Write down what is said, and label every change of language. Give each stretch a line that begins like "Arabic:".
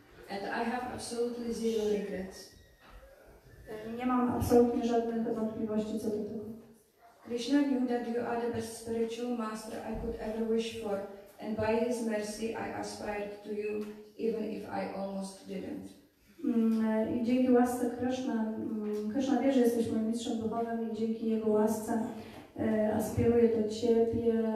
English: And I have absolutely zero regrets.
Polish: Nie mam absolutnie żadnych wątpliwości co do tego.
English: Krishna knew that you are the best spiritual master I could ever wish for, and by his mercy I aspired to you, even if I almost didn't.
Polish: I dzięki łasce Krishna, Krishna wie, że jesteś moim mistrzem duchowym i dzięki jego łasce aspiruję do ciebie.